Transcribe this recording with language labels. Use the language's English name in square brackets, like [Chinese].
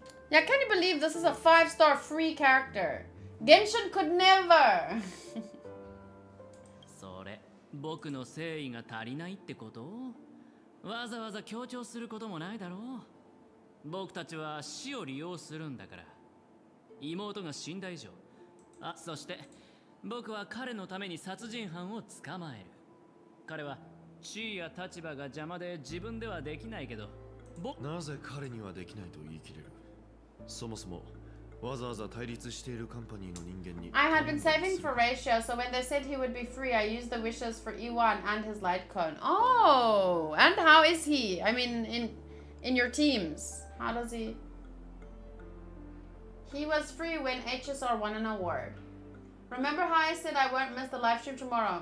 [English] Yeah, can you believe this is a 5-star free character? Genshin could never! [Japanese] それ、僕の誠意が足りないってこと？わざわざ強調することもないだろう。僕たちは死を利用するんだから。妹が死んだ以上、あ、そして僕は彼のために殺人犯を捕まえる。彼は地位や立場が邪魔で自分ではできないけど、なぜ彼にはできないと言い切れる。そもそもわざわざ対立しているカンパニーの人間に。 [English] I had been saving for Ratio, so when they said he would be free, I used the wishes for Iwan and his light cone. Oh, and how is he? I mean, in your teams, how does he? He was free when HSR won an award. Remember how I said I won't miss the live stream tomorrow?